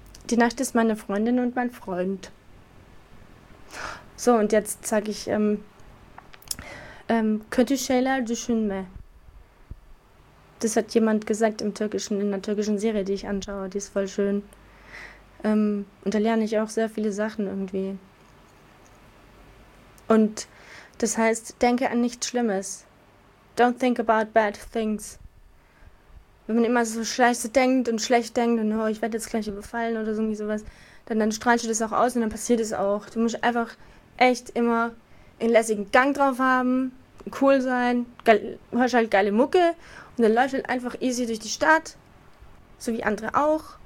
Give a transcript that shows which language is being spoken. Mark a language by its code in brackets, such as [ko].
[de] Die Nacht ist meine Freundin und mein Freund. So, und jetzt sage ich, [tr] Kötü şeyler düşünme. [de] Das hat jemand gesagt im Türkischen, in einer türkischen Serie, die ich anschaue. Die ist voll schön. Und da lerne ich auch sehr viele Sachen irgendwie. Und das heißt, denke an nichts Schlimmes. [en] Don't think about bad things. [de] Wenn man immer so scheiße denkt und schlecht denkt und oh, ich werde jetzt gleich überfallen oder irgendwie sowas, dann strahlst du das auch aus und dann passiert es auch. Du musst einfach echt immer einen lässigen Gang drauf haben, cool sein, hörst halt geile Mucke und dann läufst du halt einfach easy durch die Stadt, so wie andere auch.